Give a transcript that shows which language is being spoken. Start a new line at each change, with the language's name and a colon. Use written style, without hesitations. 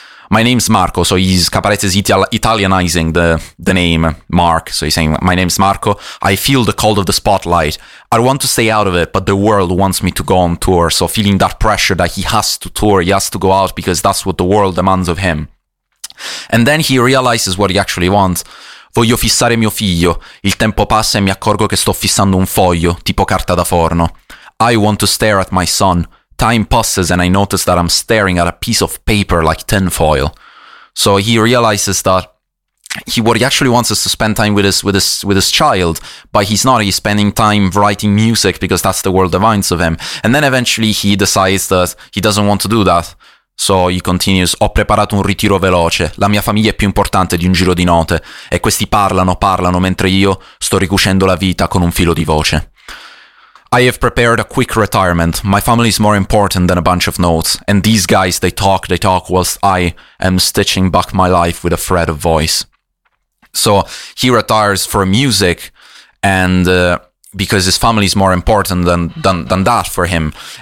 English: My name's Marco, so he's Caparezza's Italianizing the name Mark. So he's saying, my name's Marco, I feel the cold of the spotlight. I want to stay out of it, but the world wants me to go on tour. So feeling that pressure that he has to tour, he has to go out because that's what the world demands of him. And then he realizes what he actually wants.
Italian: Voglio fissare mio figlio. Il tempo passa e mi accorgo che sto fissando un foglio, tipo carta da forno.
English: I want to stare at my son. Time passes and I notice that I'm staring at a piece of paper like tinfoil. So he realizes that what he actually wants is to spend time with his child, but he's not. He's spending time writing music because that's the world demands of him. And then eventually he decides that he doesn't want to do that. So he continues,
Italian: ho preparato un ritiro veloce. La mia famiglia è più importante di un giro di note. E questi parlano, mentre io sto ricucendo la vita con un filo di voce.
English: I have prepared a quick retirement. My family is more important than a bunch of notes. And these guys, they talk whilst I am stitching back my life with a thread of voice. So he retires for music and because his family is more important than that for him.